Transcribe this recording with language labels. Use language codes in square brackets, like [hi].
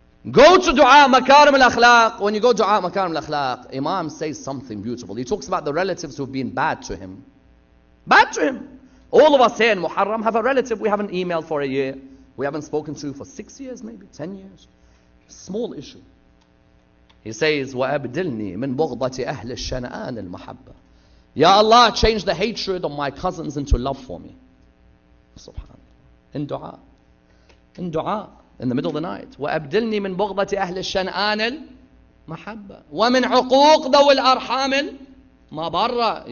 [en] Go to dua makarim al-akhlaq. When you go to dua makarim al-akhlaq, Imam says something beautiful. He talks about the relatives who've been bad to him. Bad to him. All of us here in Muharram have a relative we haven't emailed for a year. We haven't spoken to for 6 years, maybe 10 years. Small issue. He says, [ar] وَأَبْدِلْنِي مِنْ بُغْضَةِ أَهْلِ الشَّنَآنِ الْمَحَبَّةِ. [en] Ya Allah, change the hatred of my cousins into love for me. SubhanAllah. In dua, in the middle of the night. [ar] وَأَبْدِلْنِي مِنْ بُغْضَةِ أَهْلِ الشَّنَآنِ الْمَحَبَّةِ وَمِنْ عُقُوقِ ذَوِ الْأَرْحَامِ الْمَبَرَّةِ.